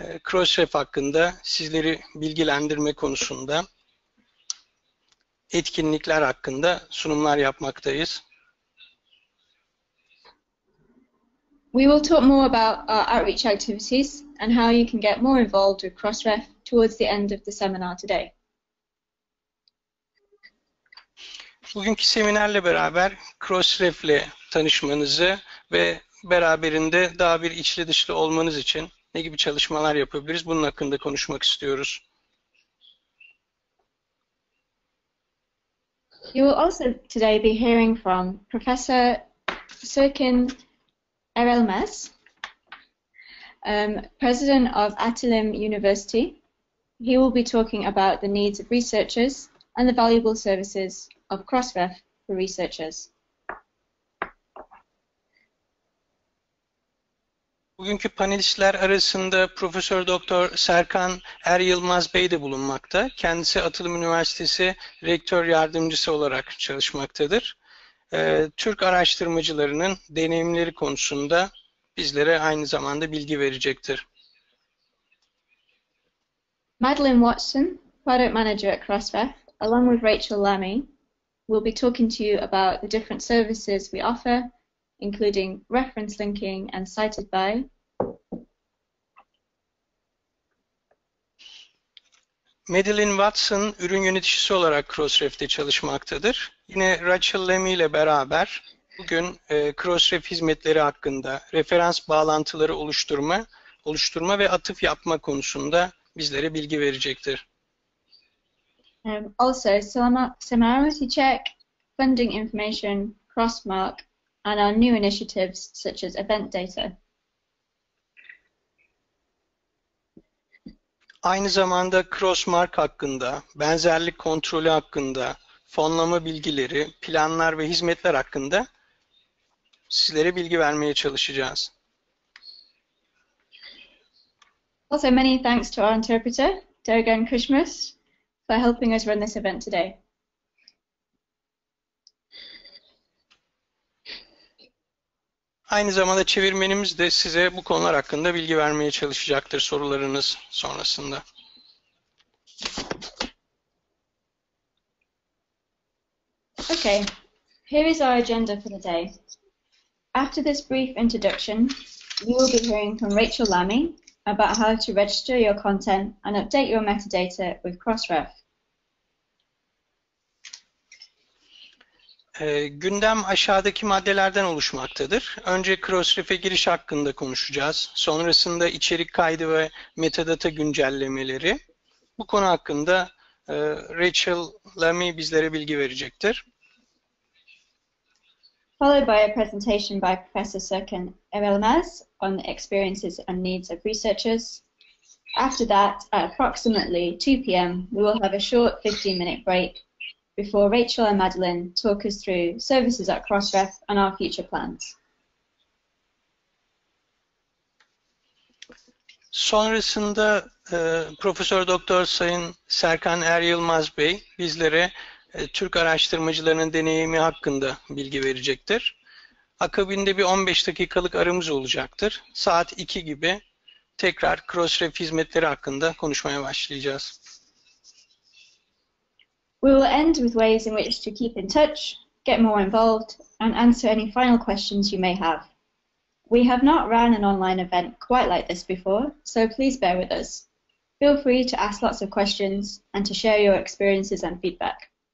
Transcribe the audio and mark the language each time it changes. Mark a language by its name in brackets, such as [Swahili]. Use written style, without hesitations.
[Turkish] Crossref hakkında sizleri bilgilendirme konusunda, etkinlikler hakkında sunumlar yapmaktayız. [English] We will talk more about our outreach activities and how you can get more involved with Crossref towards the end of the seminar today. [Turkish] Bugünkü seminerle beraber Crossref'le tanışmanızı ve beraberinde daha bir içli dışlı olmanız için ne gibi çalışmalar yapabiliriz? Bunun hakkında konuşmak istiyoruz. [English] You will also today be hearing from Professor Sirkin Erelmez, President of Atilim University. He will be talking about the needs of researchers and the valuable services of Crossref for researchers. [Turkish] Bugünkü panelistler arasında Profesör Doktor Serkan Er Yılmaz Bey de bulunmakta. Kendisi Atılım Üniversitesi Rektör Yardımcısı olarak çalışmaktadır. Türk araştırmacılarının deneyimleri konusunda bizlere aynı zamanda bilgi verecektir. [English] Madeline Watson, Product Manager at Crossref, along with Rachel Lamy, will be talking to you about the different services we offer, including reference linking and cited by. [Turkish] Madeline Watson, ürün yöneticisi olarak Crossref'te çalışmaktadır. Yine Rachel Lamy ile beraber bugün Crossref hizmetleri hakkında referans bağlantıları oluşturma ve atıf yapma konusunda bizlere bilgi verecektir. [English] Also, similarity check, funding information, crossmark, and our new initiatives such as event data. [Turkish] Aynı zamanda crossmark hakkında, benzerlik kontrolü hakkında, fonlama bilgileri, planlar ve hizmetler hakkında sizlere bilgi vermeye çalışacağız. [English] Also, many thanks to our interpreter, Dergan Kışmaz, for helping us run this event today. [Turkish] Aynı zamanda çevirmenimiz de size bu konular hakkında bilgi vermeye çalışacaktır sorularınız sonrasında. [English] Okay, here is our agenda for the day. After this brief introduction, you will be hearing from Rachel Lamy about how to register your content and update your metadata with Crossref. [Turkish] Gündem aşağıdaki maddelerden oluşmaktadır. Önce Crossref'e giriş hakkında konuşacağız. Sonrasında içerik kaydı ve metadata güncellemeleri. Bu konu hakkında Rachel Lamy bizlere bilgi verecektir. [English] Followed by a presentation by Professor Sirkin Erelmez on the experiences and needs of researchers. After that, at approximately 2 p.m., we will have a short 15-minute break before Rachel and Madeline talk us through services at Crossref and our future plans. [Turkish] Sonrasında Profesör Doktor Sayın Serkan Er Yılmaz Bey bizlere Türk araştırmacılarının deneyimi hakkında bilgi verecektir. Akabinde bir 15 dakikalık aramız olacaktır. Saat 2 gibi tekrar Crossref hizmetleri hakkında konuşmaya başlayacağız. [English] We will end with ways in which to keep in touch, get more involved, and answer any final questions you may have. We have not run an online event quite like this before, so please bear with us. Feel free to ask lots of questions and to share your experiences and feedback.